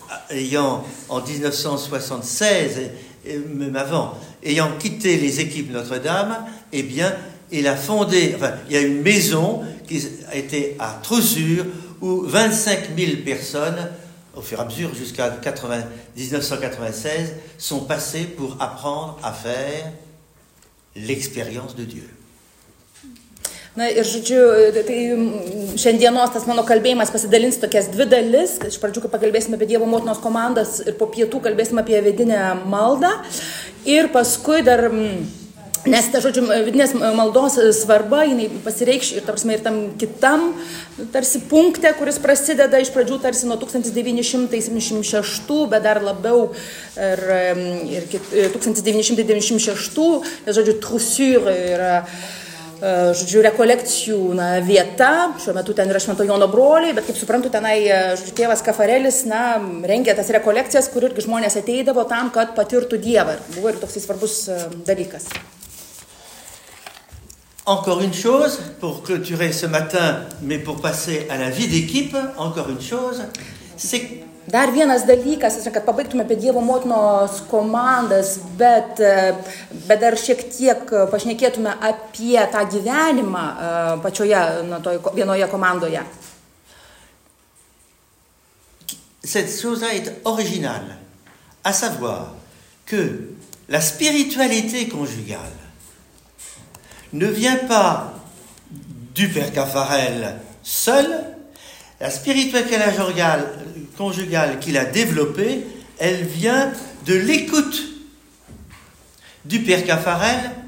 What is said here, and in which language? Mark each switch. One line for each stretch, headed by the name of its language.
French: ayant en 1976 même avant ayant quitté les équipes Notre-Dame eh bien il a fondé enfin, il y a une maison qui a été à Trousure où 25 000 personnes au fur et à mesure jusqu'à 1996 sont passées pour apprendre à faire l'expérience de Dieu.
Lithuanian: Na ir žodžiu, tai šiandienos tas mano kalbėjimas pasidalins tokias dvi dalis. Iš pradžių, kai pakalbėsime apie Dievo motinos komandas ir po pietų kalbėsime apie vidinę maldą. Ir paskui dar, nes ta žodžiu, vidinės maldos svarba, jinai pasireikš ir, tarsime, ir tam kitam tarsi punkte, kuris prasideda iš pradžių tarsi nuo 1976, bet dar labiau ir, ir 1996, žodžiu, Trousure yra... žodžiu, rekolekcijų na, vieta, šiuo metu ten yra švento Jono broliai, bet kaip suprantu, tenai žodžiu, tėvas Kafarelis na, rengė tas rekolekcijas, kur irgi žmonės ateidavo tam, kad patirtų Dievą. Buvo ir toksai svarbus dalykas.
French: Encore une chose, pour clôturer ce matin, mais pour passer à la vie d'équipe, encore une chose, c'est...
Lithuanian: Dar vienas dalykas, kad pabaigtume apie Dievo motinos komandas, bet, bet dar šiek tiek pašnekėtume apie tą gyvenimą pačioje na, toj, vienoje komandoje.
French: Cette chose est originale, à savoir que la spiritualité conjugale ne vient pas du Père Cafarel seul, la spiritualité conjugale conjugale qu'il a développée, elle vient de l'écoute du Père Cafarel.